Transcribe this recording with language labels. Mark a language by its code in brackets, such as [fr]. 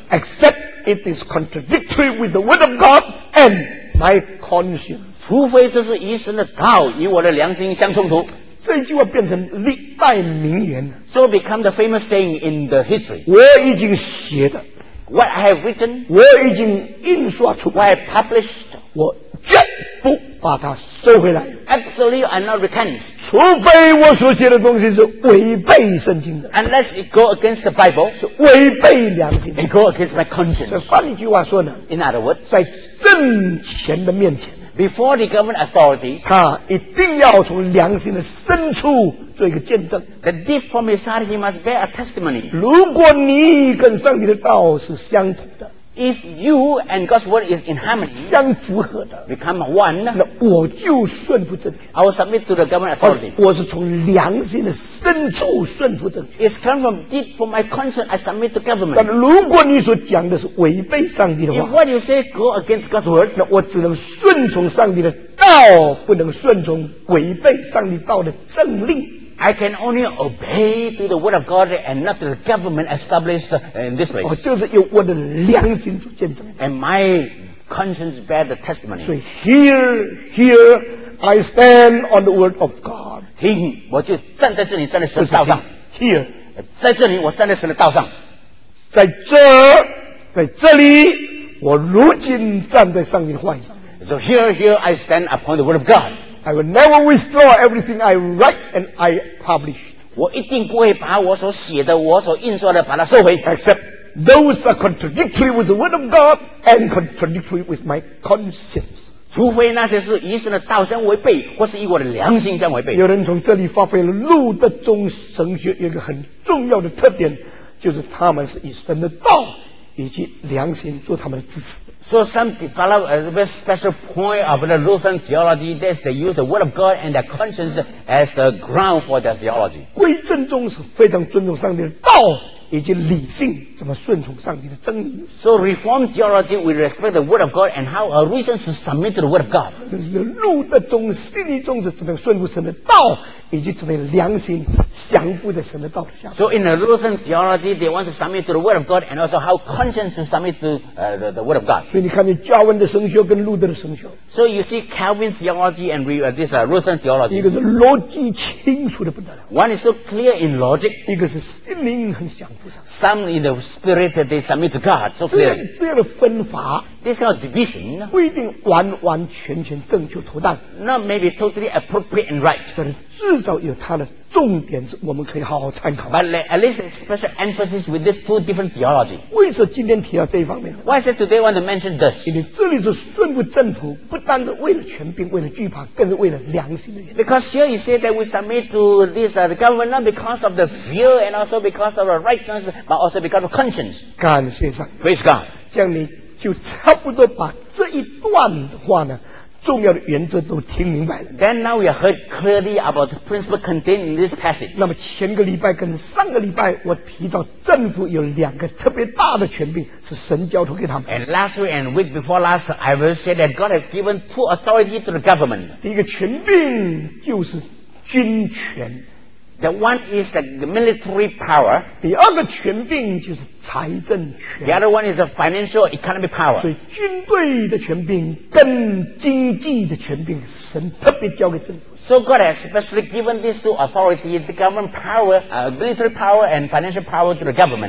[en] Except it is contradictory with the word of God and my conscience. [zh] 除非这是与神的道与我的良心相冲突。这句话变成历代名言。 [en] So it becomes a famous saying in the history. [zh] 我已经写的。 [en] What I have written. [zh] 我已经印刷出。 [en] What I have published. [zh] 我绝不。把它收回来。 [en] Absolutely, I'm not recant. [zh] 除非我所写的东西是违背圣经的。 [en] Unless it go against the Bible, [zh] 是违背良心的。 [en] It go against my conscience. [zh] 所以换一句话说呢 [en] ？In other words, [zh] 在政权的面前 [en] ，before the government authorities, [zh] 他一定要从良心的深处做一个见证。 [en] The deep from his heart, he must bear a testimony. [zh] 如果你跟上帝的道是相同的。 [en] If you and God's word is in harmony, [zh] 相符合的 [en] become one, [zh] 那我就顺服政权。 [en] I will submit to the government authority. [zh] 我是从良心的深处顺服政权。 [en] It's come from deep from my conscience. I submit to government. [zh] 但如果你所讲的是违背上帝的话 [en] ，If what you say go against God's word, [zh] 那我只能顺从上帝的道，不能顺从违背上帝道的政令。 [en] I can only obey to the word of God and not to the government established in this place. [zh] 就是由我的良心做见证。 [en] And my conscience bear the testimony. So here, here, I stand on the word of God. [zh] 我就站在这里，站在神的道上。 [en] Here, [zh] 在这里，我站在神的道上。在这里，我如今站在上帝的话语。 [en] So here, here, I stand upon the word of God. I will never withdraw everything I write and I publish. [zh] 我一定不会把我所写的、我所印刷的把它收回。 [en] Except those are contradictory with the word of God and contradictory with my conscience. [zh] 除非那些是以神的道相违背，或是以我的良心相违背。有人从这里发挥了路德宗神学一个很重要的特点，就是他们是以神的道以及良心做他们的支持。 [en] So some develop a very special point of the Lutheran theology that they use the word of God and their conscience as a ground for their theology. [zh] 归正宗是非常尊重上帝的道以及理性怎么顺从上帝的真理。 [en] So Reformed theology we respect the word of God and how a reason to submit to the word of God. [zh] 路德宗、西利宗是只能顺服神的道以及只能良心降服在神的道下。 [en] So in the Lutheran theology, they want to submit to the word of God and also how conscience to submit to the word of God. [zh] 所以你看，加文的神学跟路德的神学。 [en] So you see Calvin theology and this Lutheran theology. [zh] 一个是逻辑清楚的不得了。 [en] One is so clear in logic. [zh] 一个是心灵很降服上。 [en] Some in the spirit that they submit to God. So clear. [zh] 这样的分法。 [en] This kind of division [zh] 不一定完完全全正确妥当 [en] ，not maybe totally appropriate and right， [zh] 但是至少有它的重点，我们可以好好参考。 [en] But at least a special emphasis with these two different theology。 [zh] 为什么今天提到这一方面 [en] ？Why is it today I want to mention this？ [zh] 因为这里是顺服政府，不单是为了权柄、为了惧怕，更是为了良心的原因。 [en] Because here you say that we submit to this the government not because of the fear and also because of the rightness, but also because of conscience。 [zh] 感谢上帝 [en] ，Praise God， [zh] 向你。就差不多把这一段的话呢，重要的原则都听明白了。 [en] Then now we have heard clearly about the principle contained in this passage. [zh] 那么前个礼拜跟上个礼拜，我提到政府有两个特别大的权柄是神交托给他们。 [en] And last week and week before last, I will say that God has given two authority to the government. [zh] 一个权柄就是军权。 [en] The one is the military power. [zh] 第二个权柄就是财政权。 [en] The other one is the financial economic power. [zh] 所以军队的权柄跟经济的权柄，神特别交给政府。 [en] So God has specially given these two authorities, the government power, military power and financial power to the government.